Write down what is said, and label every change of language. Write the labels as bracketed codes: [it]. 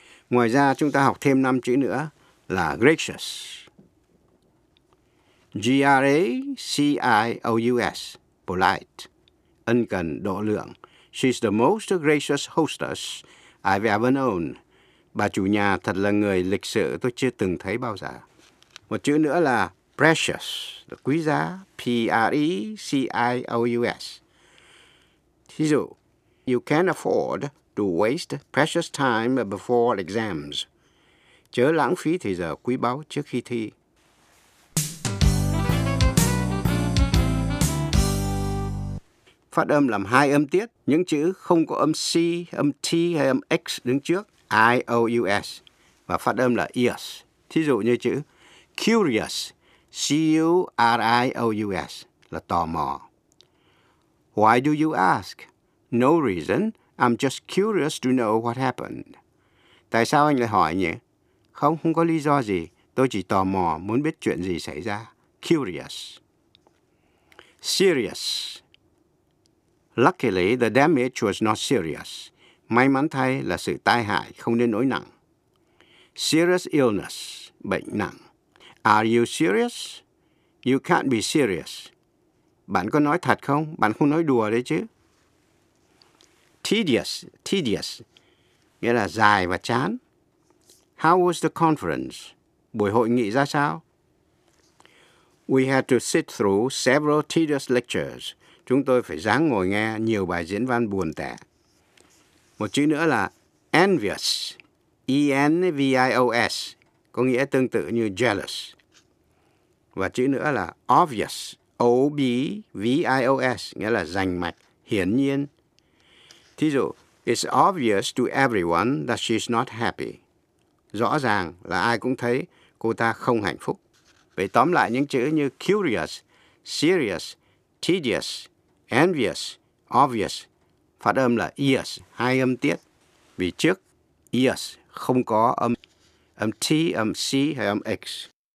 [vi] Ngoài ra chúng ta học thêm 5 chữ nữa là gracious. GRACIOUS, polite, ân cần, độ lượng. [en] She's the most gracious hostess I've ever known. [vi] Bà chủ nhà thật là người lịch sự tôi chưa từng thấy bao giờ. Một chữ nữa là precious, là quý giá, PRECIOUS. Thí dụ, [en] you can't afford to waste precious time before exams. [vi] Chớ lãng phí thời giờ quý báu trước khi thi. Phát âm làm hai âm tiết, những chữ không có âm C, âm T hay âm X đứng trước, IOUS, và phát âm là IOUS. Thí dụ như chữ curious, CURIOUS, là tò mò. [en] Why do you ask? No reason, I'm just curious to know what happened. [vi] Tại sao anh lại hỏi nhỉ? Không, không có lý do gì, tôi chỉ tò mò muốn biết chuyện gì xảy ra. Curious. Serious. [en] Luckily, the damage was not serious. [vi] May mắn thay là sự tai hại không đến nỗi nặng. [en] Serious illness, [vi] bệnh nặng. [en] Are you serious? You can't be serious. [vi] Bạn có nói thật không? Bạn không nói đùa đấy chứ. Tedious, tedious, nghĩa là dài và chán. [en] How was the conference? [vi] Buổi hội nghị ra sao? [en] We had to sit through several tedious lectures. [vi] Chúng tôi phải ráng ngồi nghe nhiều bài diễn văn buồn tẻ. Một chữ nữa là envious, ENVIOS, có nghĩa tương tự như jealous. Và chữ nữa là obvious, OBVIOS, nghĩa là rành mạch, hiển nhiên. Thí dụ, [en] it's obvious to everyone that she's not happy. [vi] Rõ ràng là ai cũng thấy cô ta không hạnh phúc. Vậy tóm lại những chữ như curious, serious, tedious, envious, obvious, phát âm là ears, hai âm tiết. Vì trước ears không có âm T, âm C hay âm X.